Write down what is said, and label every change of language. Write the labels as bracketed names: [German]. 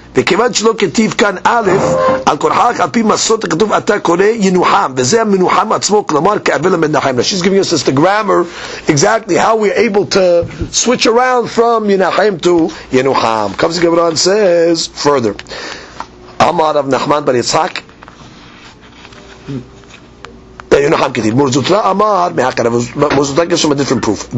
[Hebrew] וכיוון שלא כתיב כאן א', על כורחך, על פי מסורת הכתוב, אתה קורא ינוחם. וזה המנוחם עצמו, כלומר, כאבל למנחם. [English] She's giving us this, the grammar, exactly how we're able to switch around from ינחם to ינוחם. Comes the Gemara and says further. [Hebrew] אמר רב נחמן בר יצחק, ינוחם כתיב. מורזוטרא אמר, מורזוטרא גם שם [English] a different proof.